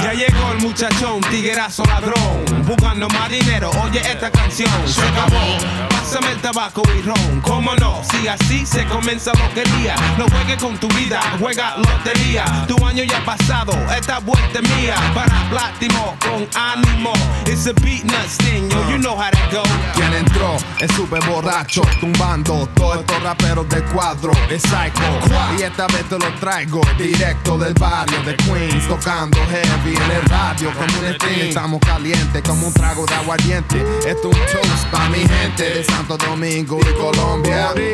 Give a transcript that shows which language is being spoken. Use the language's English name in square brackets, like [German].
[Spanish] Ya llegó el muchachón, tiguerazo ladrón. Buscando más dinero, oye esta canción. Se acabó, pásame el t- tabaco y ron. ¿Cómo no? Si así se comienza lo que día. No juegues con tu vida, juega lotería. Tu año ya ha pasado, esta vuelta es mía. Para Platimo, con ánimo. [English] It's a beat nuts thing, yo, you know how to go. [Spanish] ¿Quién entró? Es súper borracho, tumbando todos estos raperos de cuadro. Es Psycho. Y esta vez te lo traigo directo del barrio de Queens, tocando heavy en el radio. Como un estilo, estamos calientes como un trago de aguardiente. Esto es un toast pa' mi gente de Santo Domingo y Colombia.